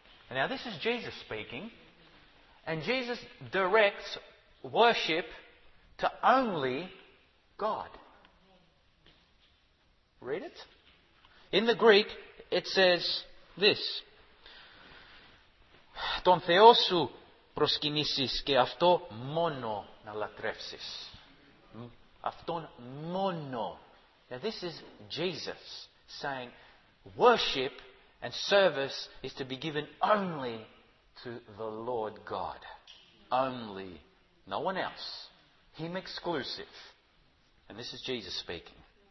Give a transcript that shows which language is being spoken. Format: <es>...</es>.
<en>Now this is Jesus speaking, and Jesus directs worship to only God. Read it. In the Greek, it says this,</en> <el>αυτόν Θεό σου προσκυνήσεις και αυτό μόνο να λατρεύσεις. Αυτόν μόνο.</el> <en>Now this is Jesus saying worship and service is to be given only to the Lord God. Only. No one else. Him exclusive. And this is Jesus speaking.</en>